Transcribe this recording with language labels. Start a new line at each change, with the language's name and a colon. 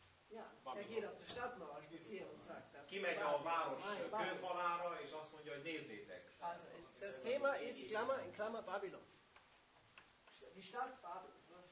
German: Ja, er geht auf die Stadtmauer spazieren und sagt das.
Hungarian: Kimegy a város kőfalára, és azt mondja, hogy nézzétek.
German: Also, das Thema ist Klammer in Klammer Babylon. Die Stadt Babylon.